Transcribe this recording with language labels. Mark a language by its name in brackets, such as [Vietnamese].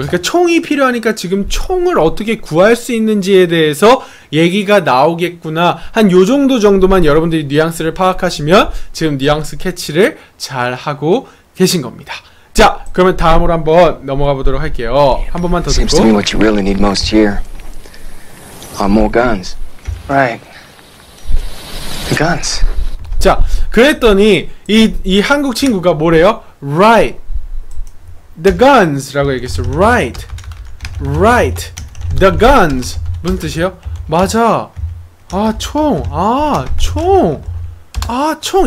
[Korean] 그러니까 총이 필요하니까 지금 총을 어떻게 구할 수 있는지에 대해서 얘기가 나오겠구나. 한 요 정도 정도만 여러분들이 뉘앙스를 파악하시면 지금 뉘앙스 캐치를 잘 하고 계신 겁니다. 자, 그러면 다음으로 한번 넘어가 보도록 할게요. 한 번만 더 듣고. [English] Seems to me what you really need most here are more guns. Right. Guns. [Korean] 자, 그랬더니 이 한국 친구가 뭐래요? [English] Right. The guns [Korean] 라고 얘기했어. [English] Right. Right. The guns. [Korean] 무슨 뜻이에요? 맞아. 아, 총. 아, 총. 아, 총.